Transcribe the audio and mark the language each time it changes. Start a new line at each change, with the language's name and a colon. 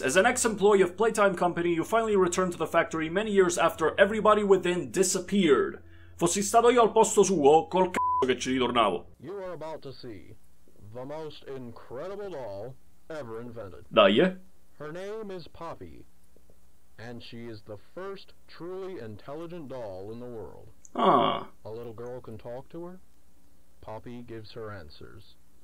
English: As an ex-employee of Playtime Company, you finally returned to the factory many years after everybody within disappeared.
Italian: Fossi stato io al posto suo, col c***o che ci ritornavo.
English: You are about to see the most incredible doll ever invented.
Italian: Dai, eh?
English: Her name is Poppy, and she is the first truly intelligent doll in the world. Ah. A little girl can talk to her. Poppy gives her answers.